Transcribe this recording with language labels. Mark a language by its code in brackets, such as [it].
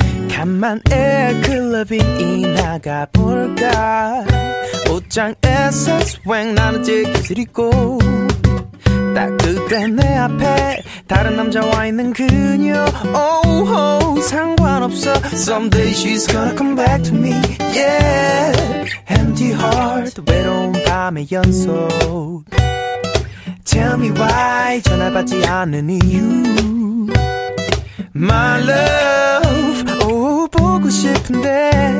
[ko] 간만 에어클럽이 나가 볼까. 옷장에서 스웩 나는 재킷을 입고 딱 그때 내 앞에 다른 남자 와 있는 그녀. Oh, oh, 상관없어. [en] Someday she's gonna come back to me. Yeah. Empty heart, [ko] 외로운 밤의 연속. [en] Tell me why [ko] 전화 받지 않는 이유. [en] My love, [ko] oh, 보고 싶은데.